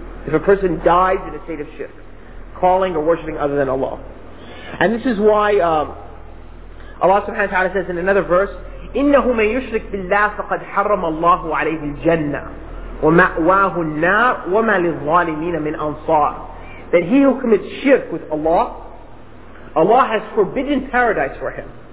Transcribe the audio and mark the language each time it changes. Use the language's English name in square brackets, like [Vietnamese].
[English] If a person dies in a state of shirk, calling or worshipping other than Allah. And this is why Allah subhanahu wa ta'ala says in another verse, [Arabic] إِنَّهُ مَنْ يُشْرِكْ بِاللَّهِ فَقَدْ حَرَّمَ اللَّهُ عَلَيْهِ الْجَنَّةِ وَمَأْوَاهُ النَّارِ وَمَا لِلظَّالِمِينَ مِنْ أَنصَارِ. [English] That he who commits shirk with Allah, Allah has forbidden paradise for him.